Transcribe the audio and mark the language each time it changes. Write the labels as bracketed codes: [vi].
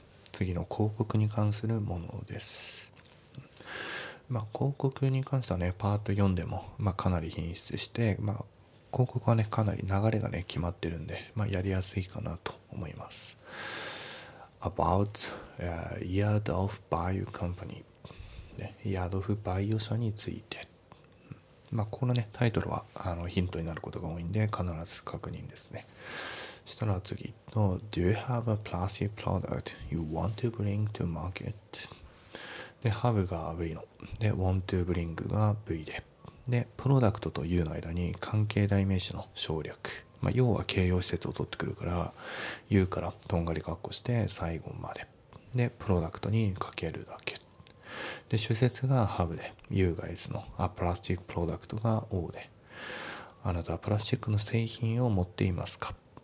[ja] 次の広告に関するものです。まあ広告に関してはね、パート4でも、まあ、かなり品質して、まあ広告はねかなり流れがね決まってるんで、まあやりやすいかなと思います。 About Yard of Bio Company、ね、ヤードフバイオ社について、まあ、このねタイトルはあのヒントになることが多いんで必ず確認ですね。したら次の [en] Do you have a plastic product you want to bring to market? [ja] で、have が V ので want to bring が V で、で、プロダクトというの間に関係代名詞の省略、まあ、要は形容詞節を取ってくるから U からとんがりカッコして最後まで、で、プロダクトにかけるだけで、主節がハブで、U が S の、A plastic product が O で、あなたはプラスチックの製品を持っていますか。